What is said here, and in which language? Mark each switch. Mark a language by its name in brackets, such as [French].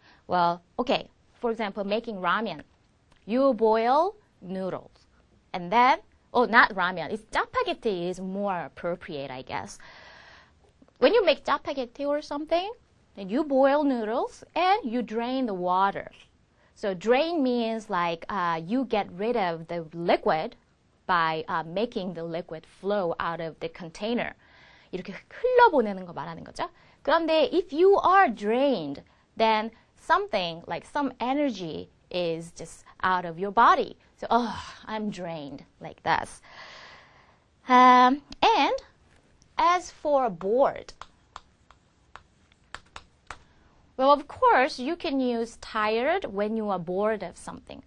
[English] Well, okay, for example, making ramen. You boil noodles, and then, oh, not ramen, it's spaghetti is more appropriate, I guess. When you make spaghetti or something, then you boil noodles and you drain the water. So drain means like you get rid of the liquid by making the liquid flow out of the container. [Korean] 이렇게 흘러보내는 거 말하는 거죠. 그런데 [English] if you are drained, then something like some energy is just out of your body. So, oh, I'm drained like this. And as for bored, well, of course, you can use tired when you are bored of something.